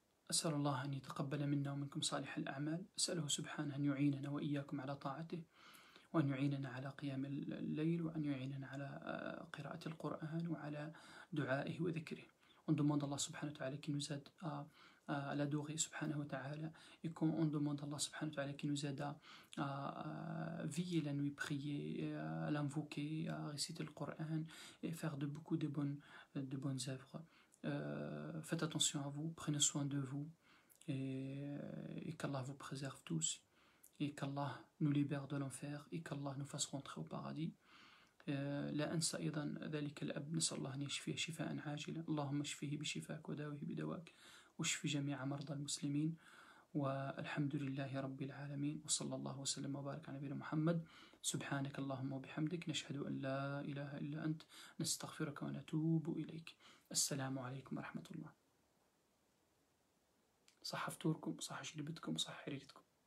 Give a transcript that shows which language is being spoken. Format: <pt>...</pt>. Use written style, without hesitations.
<ar>أسأل الله أن يتقبل منا ومنكم صالح الأعمال. أسأله سبحانه أن يعيننا وإياكم على طاعته. وأن يعيننا على قيام الليل وأن يعيننا على قراءة القرآن وعلى دعائه وذكره.</ar> <fr>On demande à Allah</fr> <ar>subhanahu wa ta'ala</ar> <fr>qui nous aide à l'adorer subhanahu wa ta'ala et qu'on demande à Allah subhanahu wa ta'ala qui nous aide à veiller la nuit, prier, à l'invoquer, à réciter le Coran et faire de beaucoup de bonnes œuvres. Faites attention à vous, prenez soin de vous et qu'Allah vous préserve tous. Et qu'Allah nous libère de l'enfer et qu'Allah nous fasse rentrer au paradis.</fr> <ar>لا أنسى أيضا ذلك الأب نسأل الله أن يشفيه شفاء عاجلا اللهم اشفيه بشفاك وداويه بدواك واشف جميع مرضى المسلمين والحمد لله رب العالمين وصلى الله وسلم وبارك على نبينا محمد سبحانك اللهم وبحمدك نشهد أن لا إله إلا أنت نستغفرك ونتوب إليك السلام عليكم ورحمة الله صح فطوركم صح شربتكم صح حريرتكم</ar>